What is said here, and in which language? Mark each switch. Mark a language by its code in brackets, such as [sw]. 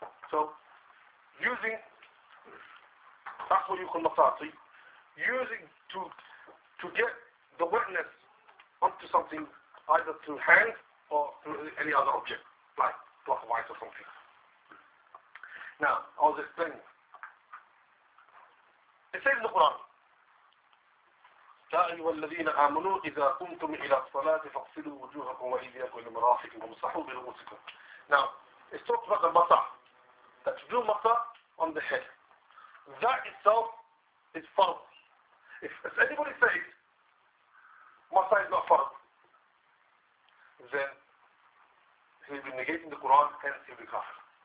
[en] So using, that's what you call masaha. Using to get the wetness onto something, either through hand or through any other object, like block of ice or something. Now, I'll just explain. It says in the Quran, [ar] يَا أَيُّهَا الَّذِينَ آمَنُوا إِذَا قُمْتُمْ إِلَى الصَّلَاةِ فَاغْسِلُوا وُجُوهَكُمْ وَأَيْدِيَكُمْ إِلَى مَرَافِقِكُمْ وَامْسَحُوا بِرُءُوسِكُمْ. [en] Now, it's talked about the masah, that to do masah on the head. That itself is fard. If anybody says masah is not fard, then he'll be negating the Quran and he'll be kafir.